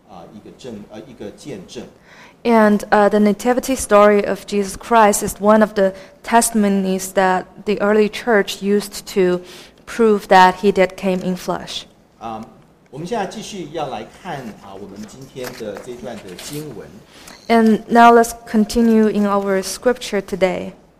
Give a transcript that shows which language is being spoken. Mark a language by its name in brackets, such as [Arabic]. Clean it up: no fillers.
[Chinese] 而耶稣基督诞生的这个故事，也正是早期教会来述说耶稣基督道成肉身这件事情的一个见证。 [English] And the nativity story of Jesus Christ is one of the testimonies that the early church used to prove that he did came in flesh. [Chinese] 我们现在继续要来看我们今天的这段的经文。 [English] And now let's continue in our scripture today.